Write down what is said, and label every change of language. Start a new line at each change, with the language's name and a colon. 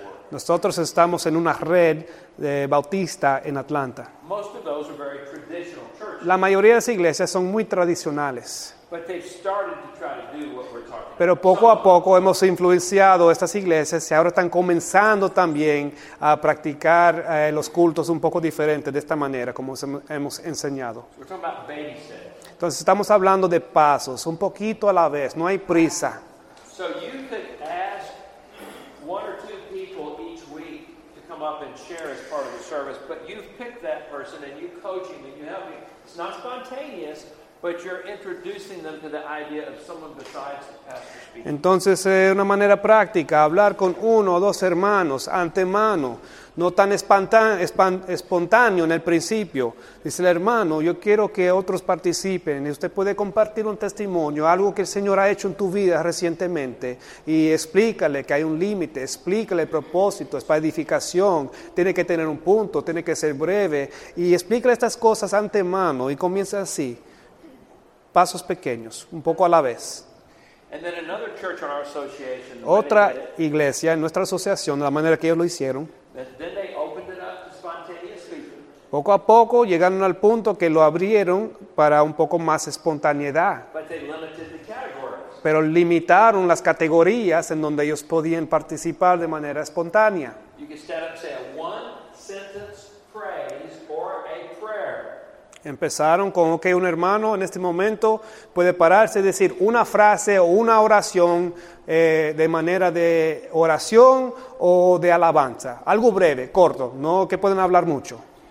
Spanish: Nosotros estamos en una red de bautista en Atlanta.
English: Most of those are very traditional churches.
Spanish: La mayoría de las iglesias son muy tradicionales.
English: But they've started to try to do what we're talking about.
Spanish: Pero poco a poco hemos influenciado estas iglesias y ahora están comenzando también a practicar los cultos un poco diferentes de esta manera, como hemos enseñado.
English: We're talking about baby steps.
Spanish: Entonces estamos hablando de pasos, un poquito a la vez, no hay prisa.
English: So you could ask one or two people each week to come up and share as part of the service, but you've picked that person and you're coaching and you help me. It's not spontaneous, but you're introducing them to the idea of someone besides the pastor speaking.
Spanish: Entonces, una manera práctica, hablar con uno o dos hermanos antemano, no tan espontáneo en el principio. Dice el hermano, yo quiero que otros participen. Y usted puede compartir un testimonio, algo que el Señor ha hecho en tu vida recientemente. Y explícale que hay un límite, explícale el propósito, es para edificación. Tiene que tener un punto, tiene que ser breve. Y explícale estas cosas antemano y comienza así. Pasos pequeños, un poco a la vez.
English: And then another church in our association,
Spanish: otra iglesia en nuestra asociación, de la manera que ellos lo hicieron,
English: then they opened it up to spontaneous speaking.
Spanish: Poco a poco llegaron al punto que lo abrieron para un poco más espontaneidad.
English: But they limited the categories.
Spanish: Pero limitaron las categorías en donde ellos podían participar de manera espontánea.
English: You can stand up and say a one sentence phrase or a prayer.
Spanish: Empezaron con, ok, un hermano en este momento puede pararse y decir una frase o una oración de manera de oración o de alabanza. Algo breve, corto, no que pueden hablar mucho.